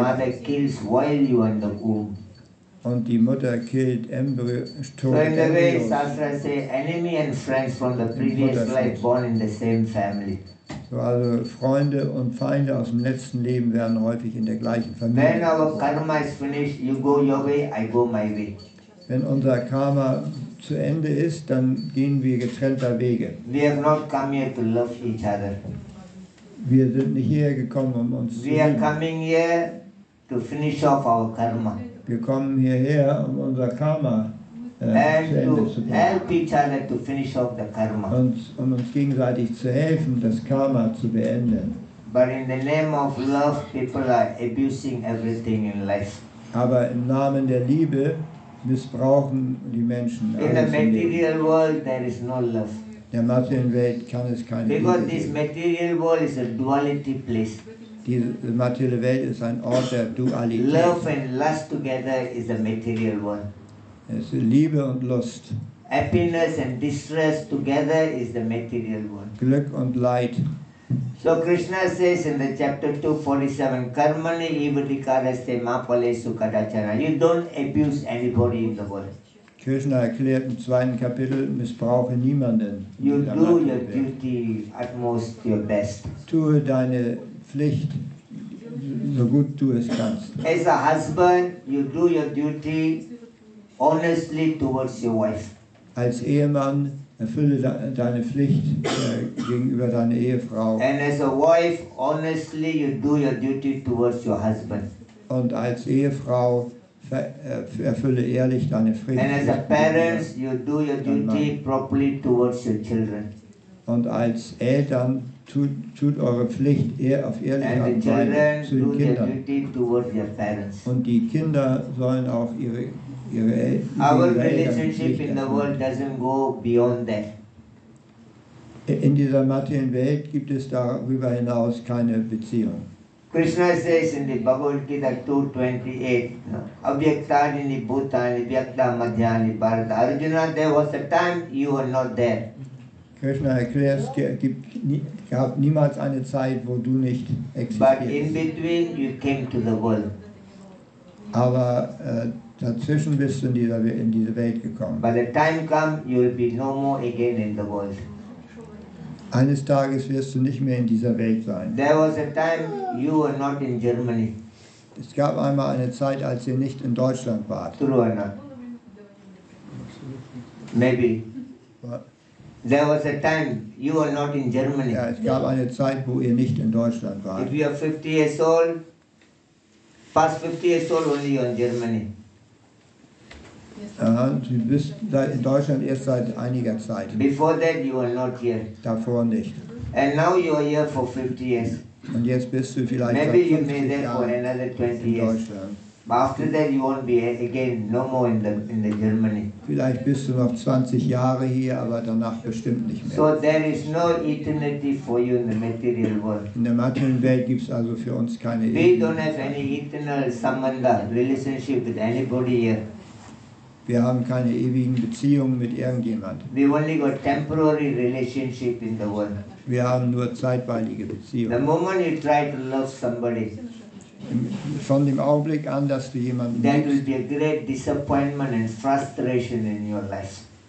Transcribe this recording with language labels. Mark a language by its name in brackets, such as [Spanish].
[English] And the mother kills while you are in the womb. [German] Und die Mutter killt Embryos. [English] So in the way, Sastra say, enemy and friends from the previous life born in the same family. [German] So also Freunde und Feinde aus dem letzten Leben werden häufig in der gleichen Familie. [English] When our karma is finished, you go your way, I go my way. [German] Wenn unser Karma zu Ende ist, dann gehen wir getrennter Wege. [English] We have not come here to love each other. [German] Wir sind nicht hierher gekommen, um uns [English] we [German] zu lieben. [English] We are coming here to finish off our karma. [German] Wir kommen hierher, um unser Karma [English] help each other to finish off the karma. [German] Um uns gegenseitig zu helfen, das Karma zu beenden. [English] But in the name of love, people are abusing everything in life. [German] Aber im Namen der Liebe missbrauchen die Menschen alles. [English] In the material world, there is no love. [German] Der materiellen Welt kann es keine Liebe geben. [English] Because this material world is a duality place. [German] Die materielle Welt ist ein Ort der Dualität. [English] Love and lust together is a material world. [German] Es ist Liebe und Lust. [English] Happiness and distress together is the material world. [German] Glück und Leid. [English] So Krishna says in the chapter 247, [Sanskrit] Karmani Ivadikaraste Mapalesu Kadachana. [English] You don't abuse anybody in the world. [German] Krishna erklärt im zweiten Kapitel, missbrauche niemanden. [English] You do your duty at most your best. [German] Tue deine Pflicht, so gut du es kannst. [English] As a husband, you do your duty honestly towards your wife. [German] Als Ehemann, erfülle deine Pflicht gegenüber deiner Ehefrau. [English] And as a wife, honestly, you do your duty towards your husband. [German] Und als Ehefrau, erfülle ehrlich deine Pflicht. [English] And as a parent, you do your duty properly towards your children. [German] Und als Eltern, tut eure Pflicht eher auf ehrlicher Weise zu den Kindern. [English] And the children do their duty towards their parents. [German] Und die Kinder sollen auch ihre [English] Our relationship in the world doesn't go beyond that. [German] In dieser materiellen Welt gibt es darüber hinaus keine Beziehung. [English] Krishna says in the Bhagavad Gita 2:28, [Sanskrit] Abhyaktani Bhutani Vyakta Madhyani Bharata. [English] Arjuna, there was a time you were not there. [German] Krishna erklärt, es gab niemals eine Zeit, wo du nicht existierst. [English] But in between you came to the world. [German] Aber dazwischen bist du in diese Welt gekommen. [English] By the time come, you will be no more again in the world. [German] Eines Tages wirst du nicht mehr in dieser Welt sein. [English] There was a time you were not in Germany. [German] Es gab einmal eine Zeit, als ihr nicht in Deutschland wart. [English] True or not? Maybe. What? There was a time you were not in Germany. [German] Ja, es gab eine Zeit, wo ihr nicht in Deutschland wart. [English] If you are 50 years old, past 50 years old only you are in Germany. [German] Ja, du bist in Deutschland erst seit einiger Zeit. [English] Before that you were not here. [German] Davor nicht. [English] And now you are here for 50 years. [German] Und jetzt bist du vielleicht [English] Maybe [German] seit 50 [English] you may [German] Jahren [English] for another 20 [German] in Deutschland. [English] Years. But after that you won't be again, no more in the Germany. [German] Vielleicht bist du noch 20 Jahre hier, aber danach bestimmt nicht mehr. [English] So there is no eternity for you in the material world. [German] In der materiellen Welt gibt es also für uns keine [English] We [German] Ebene. [English] Don't have any eternal sambandha relationship with anybody here. [German] Wir haben keine ewigen Beziehungen mit irgendjemand. [English] We only got temporary relationship in the world. [German] Wir haben nur zeitweilige Beziehungen. [English] The moment you try to love somebody, [German] von dem Augenblick an, dass du jemanden liebst, [English] that will be a great disappointment and frustration in your life.